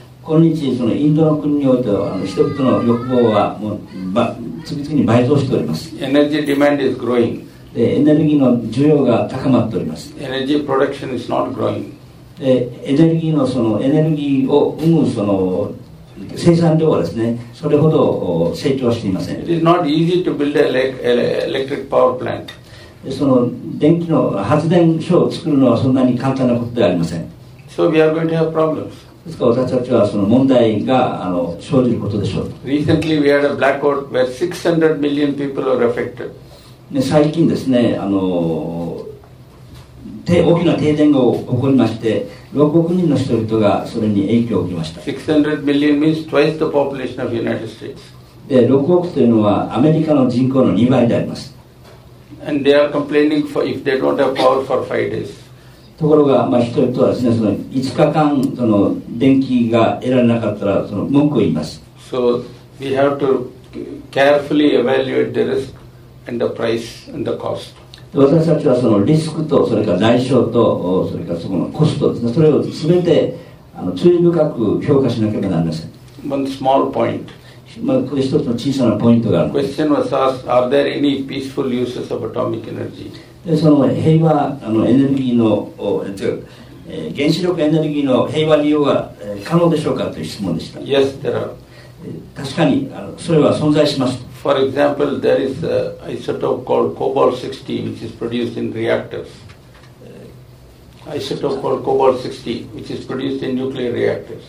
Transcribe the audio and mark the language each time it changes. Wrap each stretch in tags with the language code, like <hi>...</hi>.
<ja>今日そのインドの国においては人々の欲望はもう次々に倍増しております。</ja> <en>Energy demand is growing.</en> <ja>でエネルギーの需要が高まっております。</ja> <en>Energy production is not growing.</en> <ja>でエネルギーのそのエネルギーを生むその生産量はですね、それほど成長していません。</ja> <en>It is not easy to build an electric power plant.</en> <ja>でその電気の発電所を作るのはそんなに簡単なことではありません。</ja> <en>So we are going to have problems.</en> <ja>ですから私たちはその問題が生じることでしょう。</ja> <en>Recently we had a blackout where 600 million people were affected.</en> <ja>最近ですね、大きな停電が起こりまして、6億人の人々がそれに影響を受けました。</ja> <en>600 million means twice the population of the United States.</en> <ja>で、6億というのはアメリカの人口の2倍であります。</ja> <en>And they are complaining for if they don't have power for 5 days.</en> <ja>ところが、人々はですね、その5日間その電気が得られなかったらその文句を言います。</ja> <en>So we have to carefully evaluate the risk and the price and the cost.</en> <ja>私たちはそのリスクとそれから代償とそれからそこのコストですね、それを全て注意深く評価しなければなりません。</ja> <en>One small point.</en> <ja>これ一つの小さなポイントがある。</ja> <en>Question was asked, are there any peaceful uses of atomic energy?</en> <ja>でその平和エネルギーの原子力エネルギーの平和利用は可能でしょうかという質問でした。</ja> <en>Yes, there are.</en> <ja>確かにそれは存在します。</ja> <en>For example, there is an isotope called cobalt-60 which is produced in reactors. Isotope called cobalt-60 which is produced in nuclear reactors.</en>